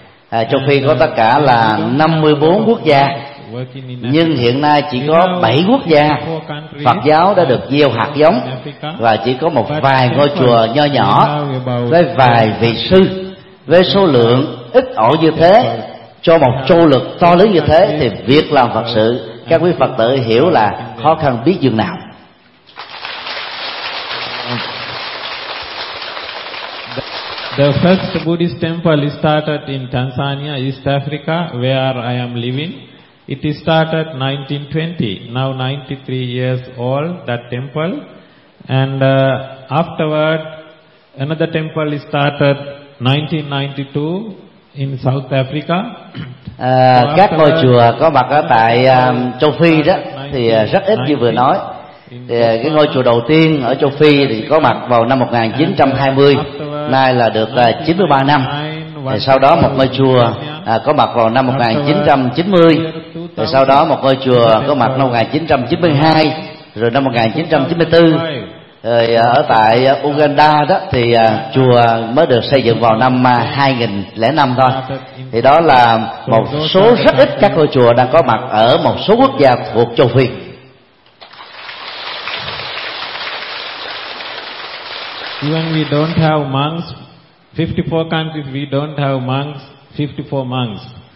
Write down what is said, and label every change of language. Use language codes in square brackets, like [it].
[vi] Châu Phi có tất cả là 54 quốc gia, nhưng hiện nay chỉ có 7 quốc gia Phật giáo đã được gieo hạt giống, và chỉ có một vài ngôi chùa nho nhỏ với vài vị sư. Với số lượng ít ỏi như thế, cho một châu lục to lớn như thế, thì việc làm Phật sự các quý Phật tử hiểu là khó khăn biết dường nào. [en] The first Buddhist temple started in Tanzania, East Africa, where I am living. It started 1920, now 93 years old, that temple. And afterward, another temple started 1992 in South Africa. [vi] Các ngôi chùa có mặt ở tại Châu Phi đó thì rất ít như vừa nói. Thì cái ngôi chùa đầu tiên ở Châu Phi thì có mặt vào năm 1920, nay là được 93 năm. Thì sau đó một ngôi chùa có mặt vào năm 1990, rồi sau đó một ngôi chùa có mặt năm 1992, rồi năm 1994. Rồi ở tại Uganda đó thì chùa mới được xây dựng vào năm 2005 thôi. Thì đó là một số rất ít các ngôi chùa đang có mặt ở một số quốc gia thuộc Châu Phi. [en] Even we don't have monks, 54 countries we don't have monks, 54 monks.